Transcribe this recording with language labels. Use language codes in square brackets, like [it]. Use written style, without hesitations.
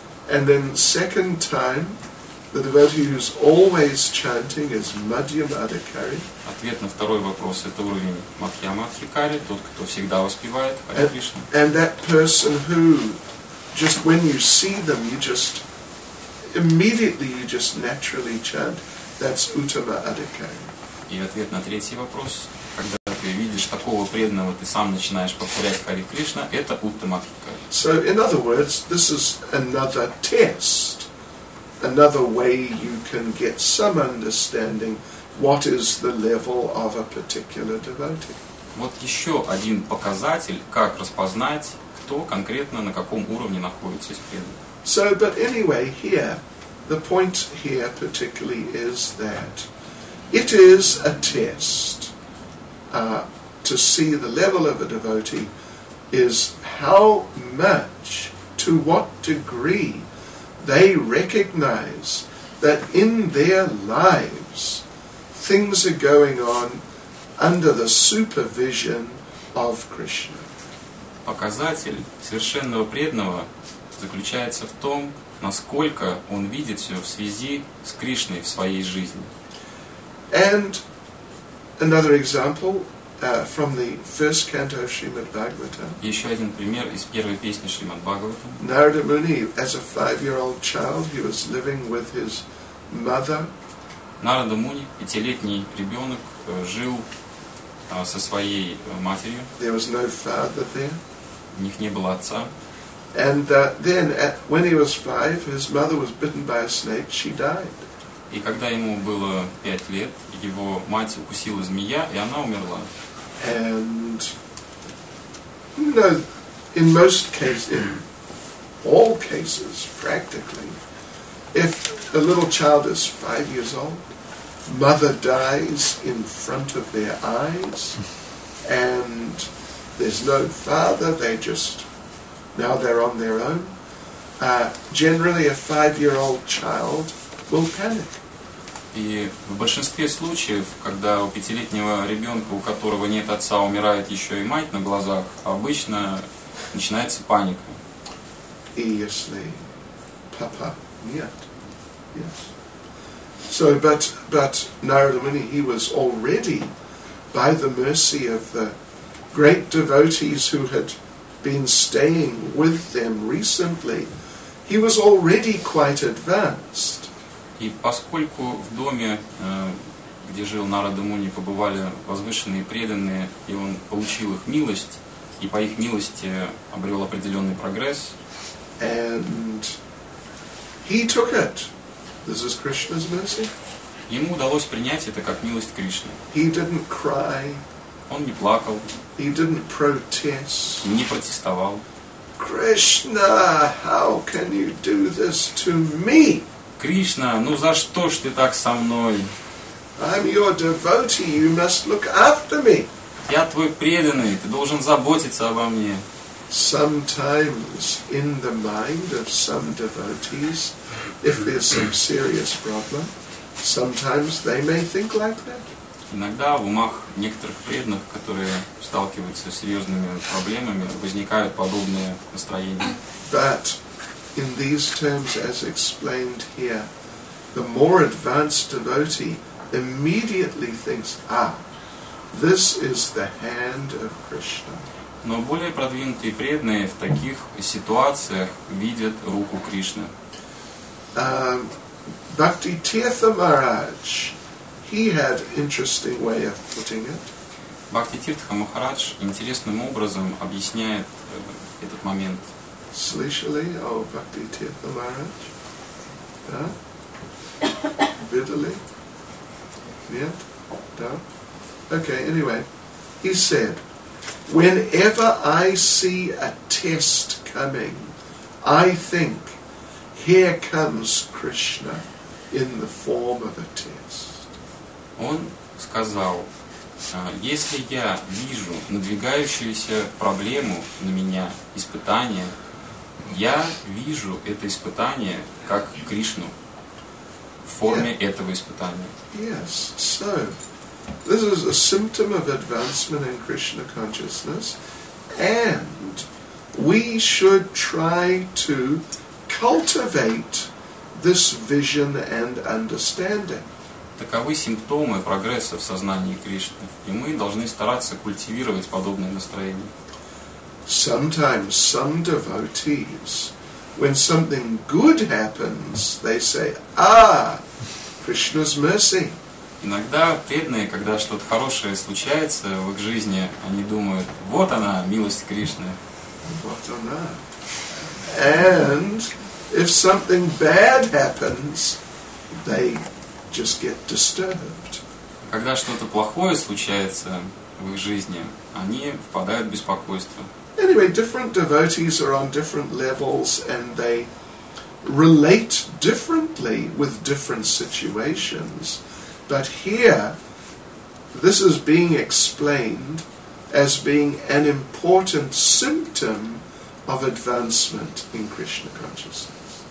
[en] And then second time, the devotee who's always chanting is Madhyama Adhikari. [ru] Ответ на второй вопрос — это уровень Мадхьяма Адхикари, тот, кто всегда воспевает Харе Кришна. [en] And that person who, just when you see them, you just naturally chant, that's Uttama Adhikari. [ru] И ответ на третий вопрос: когда ты видишь такого преданного, ты сам начинаешь повторять Харе Кришна, это Уттама Адхикари. [en] So, in other words, this is another test, another way you can get some understanding what is the level of a particular devotee. [ru] Вот еще один показатель, как распознать, кто конкретно на каком уровне находится из преданных. [en] So, but anyway, here, the point here particularly is that it is a test. To see the level of a devotee is how much, to what degree, they recognize that in their lives things are going on under the supervision of Krishna. [ru] показатель совершенного преданного заключается в том, насколько он видит все в связи с Кришной в своей жизни. [en] And another example from the first canto of Shrimad Bhagavatam. [ru] Еще один пример из первой песни Шримад Бхагаватам. [en] Narada Muni, as a five-year-old child, he was living with his mother. [ru] Нарада Муни, пятилетний ребенок, жил со своей матерью. [en] There was no father there. [ru] У них не было отца. [en] And then, when he was five, his mother was bitten by a snake. She died. [ru] И когда ему было 5 лет, его мать укусила змея, и она умерла. [en] And you know, in most cases, in all cases, practically, if a little child is 5 years old, mother dies in front of their eyes, and there's no father, they just, now they're on their own. Generally, a 5-year-old child will panic. [ru] И в большинстве случаев, когда у пятилетнего ребенка, у которого нет отца, умирает еще и мать на глазах, обычно начинается паника. И если папа нет, yes. [en] So, but Narada Muni, he was already, by the mercy of the great devotees who had been staying with them recently, he was already quite advanced. [ru] И поскольку в доме, где жил Нарада Муни, побывали возвышенные преданные, и он получил их милость, и по их милости обрел определенный прогресс. [en] And he took it. This is Krishna's mercy. [ru] Ему удалось принять это как милость Кришны. [en] He didn't cry. [ru] Он не плакал. [en] He didn't protest. [ru] Не протестовал. [en] Krishna, how can you do this to me? [ru] Кришна, ну за что ж ты так со мной? [en] I'm your devotee, you must look after me. [ru] Я твой преданный, ты должен заботиться обо мне. [en] Sometimes in the mind of some devotees, if there's some serious problem, sometimes they may think like that. [ru] Иногда в умах некоторых преданных, которые сталкиваются с серьезными проблемами, возникают подобные настроения. [en] But in these terms, as explained here, the more advanced devotee immediately thinks, ah, this is the hand of Krishna. [ru] Но более продвинутые преданные в таких ситуациях видят руку Кришны. [en] Bhakti Tirtha Maharaj, he had interesting way of putting it. [ru] Bhakti Tirtha Maharaj интересным образом объясняет этот момент. Слышали о Bhakti Tirtha Maharaj? Да? Видели? Нет? Да? [en] Okay, anyway, he said, whenever I see a test coming, I think, here comes Krishna in the form of a test. [ru] Он сказал, если я вижу надвигающуюся проблему на меня, испытание, я вижу это испытание как Кришну в форме этого испытания. [en] Yes, so this is a symptom of advancement in Krishna consciousness, and we should try to cultivate this vision and understanding. [ru] Таковы симптомы прогресса в сознании Кришны, и мы должны стараться культивировать подобное настроение. [en] Sometimes some devotees, when something good happens, they say, ah, Krishna's mercy. [ru] Иногда преданные, когда что-то хорошее случается в их жизни, они думают, вот она, милость Кришны. Вот она. [en] And if something bad happens, they just get disturbed. [ru] Когда что-то плохое случается в их жизни, они впадают в беспокойство. [en] Anyway, different devotees are on different levels, and they relate differently with different situations. But here, this is being explained as being an important symptom of advancement in Krishna consciousness.